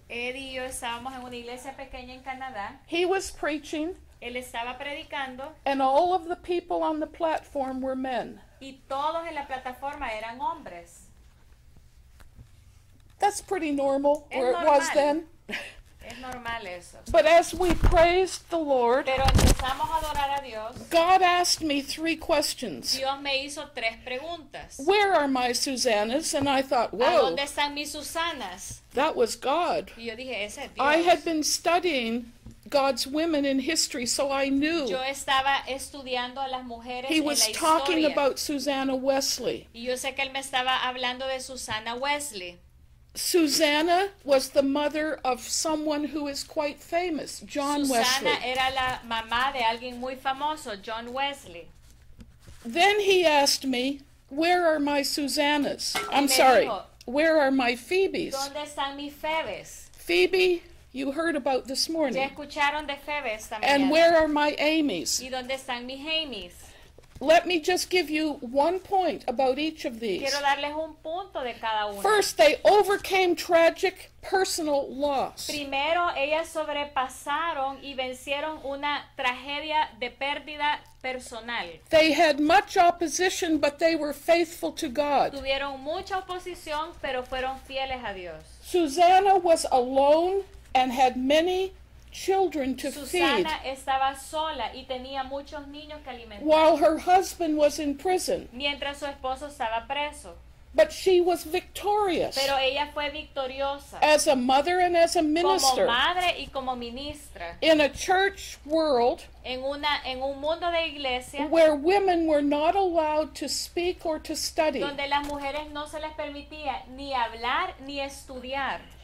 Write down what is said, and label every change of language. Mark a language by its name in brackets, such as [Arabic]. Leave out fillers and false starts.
[Spanish] Eddie y yo estábamos en una iglesia pequeña en Canadá. [English] He was preaching. [Spanish] Él estaba predicando. [English] And all of the people on the platform were men. [Spanish] Y todos en la plataforma eran hombres. [English] That's pretty normal, [Spanish] es [English] where [Spanish] normal. [English] It was then. [Spanish] Es normal eso. [English] But as we praised the Lord, [Spanish] pero empezamos a adorar a Dios, [English] God asked me three questions. [Spanish] Dios me hizo tres preguntas. [English] Where are my Susannas? And I thought, whoa. [Spanish] ¿A dónde están mis Susannas? [English] That was God. [Spanish] Y yo dije, ese es Dios. [English] I had been studying God's women in history, so I knew. [Spanish] Yo estaba estudiando a las mujeres [English] he was [Spanish] en la [English] talking [Spanish] historia. [English] About Susanna Wesley. [Spanish] Y yo sé que él me estaba hablando de Susanna Wesley. [English] Susanna was the mother of someone who is quite famous, John [Spanish] Susanna Susanna era la mamá de alguien muy famoso, John Wesley. [English] Then he asked me, where are my Susannas? I'm sorry, [Spanish] dijo, [English] where are my Phoebes? [Spanish] ¿Dónde están mis Febes? [English] Phoebe, you heard about this morning. [Spanish] ¿Ya escucharon de Febes esta mañana? [English] And where are my Amys? [Spanish] ¿Y dónde están mis Amys? [English] Let me just give you one point about each of these. [Spanish] Quiero darles un punto de cada una. [English] First, they overcame tragic personal loss. [Spanish] Primero, ellas sobrepasaron y vencieron una tragedia de pérdida personal. [English] They had much opposition, but they were faithful to God. [Spanish] Tuvieron mucha oposición, pero fueron fieles a Dios. [English] Susanna was alone and had many children to [Spanish] Susanna [English] feed [Spanish] estaba sola y tenía muchos niños que alimentar, [English] while her husband was in prison. [Spanish] Mientras su esposo estaba preso. [English] But she was victorious. [Spanish] Pero ella fue victoriosa. [English] As a mother and as a minister. [Spanish] Como madre y como ministra. [English] In a church world. [Spanish] En un mundo de iglesia. [English] Where women were not allowed to speak or to study. [Spanish] Donde las mujeres no se les permitía ni hablar ni estudiar.